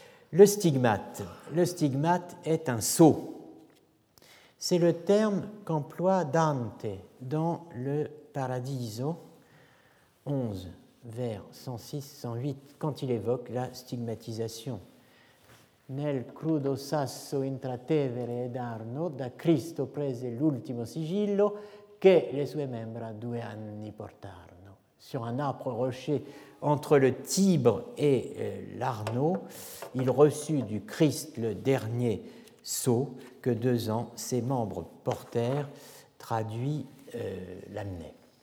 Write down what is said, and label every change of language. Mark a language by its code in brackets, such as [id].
[fr] Le stigmate est un sot. C'est le terme qu'emploie Dante dans le Paradiso 11, vers 106-108, quand il évoque la stigmatisation. [it] Nel crudo sasso intratevere ed arno, da Cristo prese l'ultimo sigillo che le sue membra due anni portarono. [fr] Sur un âpre rocher entre le Tibre et l'Arno, il reçut du Christ le dernier sceau que deux ans ses membres portèrent, traduit l'amenait.